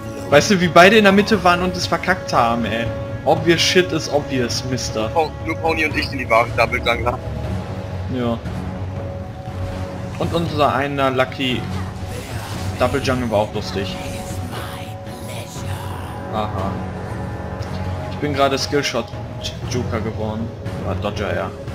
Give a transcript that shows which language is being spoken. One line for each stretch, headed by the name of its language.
German: Weißt du, wie beide in der Mitte waren und es verkackt haben, ey?
English: Obvious shit is obvious, Mister.
German: Nur Pony und ich sind die wahre Double-Jungler. Ja. Und unser einer Lucky Double-Jungle war auch lustig. Aha. Ich bin gerade Skillshot-Juker geworden. Oder Dodger, ja.